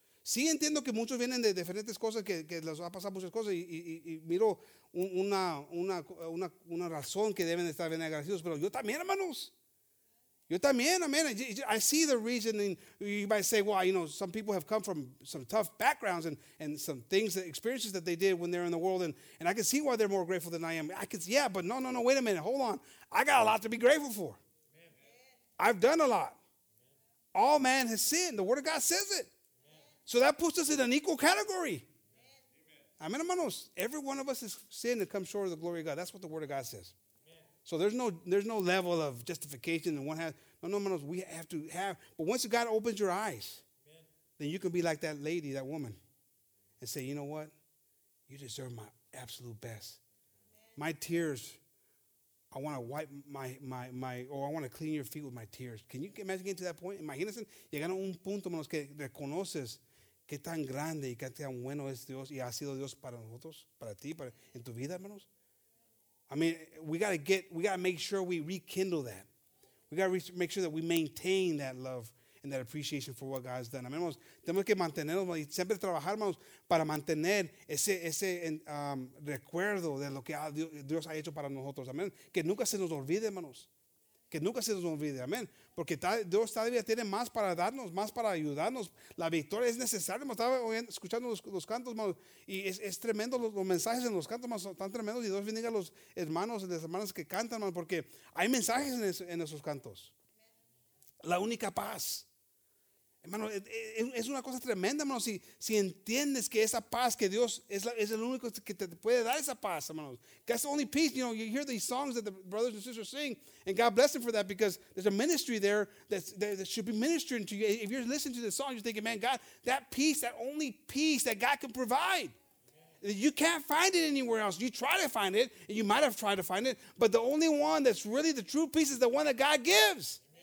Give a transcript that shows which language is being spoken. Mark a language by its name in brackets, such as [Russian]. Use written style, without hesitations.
[Spanish] Sí entiendo que muchos vienen de diferentes cosas, que les ha pasado muchas cosas, y miro una razón que deben estar bien agradecidos, pero yo también, hermanos. Yo también, [English] amen. I see the reasoning. You might say, well, you know, some people have come from some tough backgrounds and some things, that experiences that they did when they're in the world, and I can see why they're more grateful than I am. I can see, yeah, but no, wait a minute, hold on. I got a lot to be grateful for. I've done a lot. All man has sinned. The Word of God says it. So that puts us in an equal category. Amen, hermanos. Every one of us has sinned and come short of the glory of God. That's what the Word of God says. So there's no level of justification that one has. No, we have to have. But once God opens your eyes, amen, then you can be like that lady, that woman, and say, you know what? You deserve my absolute best. Amen. My tears, I want to wipe my or I want to clean your feet with my tears. Can you imagine getting to that point? [Spanish] Imagínense, llegando a un punto, hermanos, que reconoces qué tan grande y qué tan bueno es Dios y ha sido Dios para nosotros, para ti, para en tu vida, hermanos. [English] I mean, we gotta make sure we rekindle that. We gotta make sure that we maintain that love and that appreciation for what God has done. Amen. [Spanish] Tenemos que mantener, siempre trabajar, hermanos, para mantener ese recuerdo de lo que Dios ha hecho para nosotros. Amen. Que nunca se nos olvide, hermanos. Que nunca se nos olvide. Amen. Porque Dios todavía tiene más para darnos, más para ayudarnos. La victoria es necesaria. Estaba escuchando los cantos, hermanos, y es tremendo los mensajes en los cantos, hermanos, tan tremendos. Y Dios bendiga a los hermanos y las hermanas que cantan, hermanos, porque hay mensajes en esos cantos. La única paz. Hermano, es una cosa tremenda, hermanos. Si entiendes que esa paz que Dios es el único que te puede dar esa paz, hermanos. [English] That's the only peace. You know, you hear these songs that the brothers and sisters sing, and God bless them for that, because there's a ministry there that should be ministering to you. If you're listening to the song, you're thinking, man, God, that peace, that only peace that God can provide. You can't find it anywhere else. You try to find it, and you might have tried to find it, but the only one that's really the true peace is the one that God gives.